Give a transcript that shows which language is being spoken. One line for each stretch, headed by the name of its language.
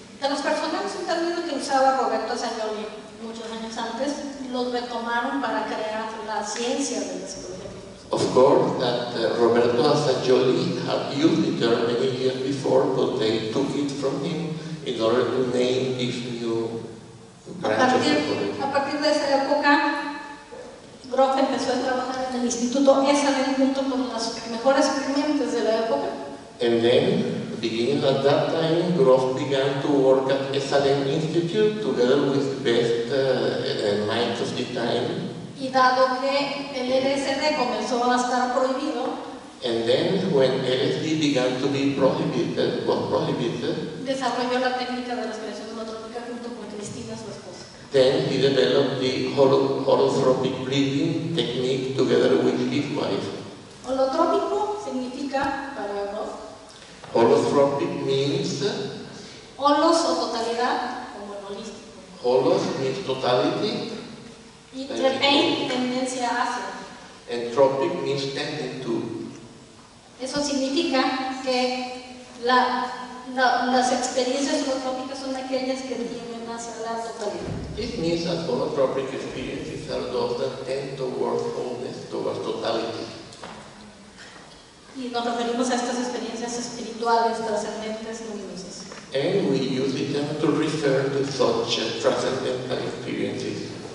Spanish: Transpersonal es un término que usaba Roberto Saglioni muchos años antes, los retomaron para crear la ciencia de la psicología.
English: Of course, that Roberto Saglioni had used the term many years before, but they took it from him in order to name this new branch of psychology.
Spanish: A partir de esa época, Groff empezó a trabajar en el Instituto Esalen junto con las mejores clientes de la época.
English: And then, beginning at that time, Groff began to work at Esalen Institute together with the best minds of the time.
Spanish: Y dado que el LSD comenzó a estar prohibido,
English: and then when LSD began to be prohibited, was prohibited,
Spanish: desarrolló la técnica de la respiración holotrópica junto con Cristina, su esposa.
English: Then he developed the holotropic breathing technique together with his wife.
Spanish: Holotrópico significa, para Groff,
English: holotropic means
Spanish: holos o totalidad, como en holístico.
English: Holos means totality.
Spanish: Y tendencia hacia.
English: Entropic means tending to.
Spanish: Eso significa que las experiencias holotrópicas son aquellas que tienden hacia la totalidad.
English: It means that holotropic experiences are those that tend towards wholeness, towards totality.
Spanish: Y nos referimos a estas experiencias espirituales trascendentes luminosas.
English: And we use the term to refer to such transcendental experiences.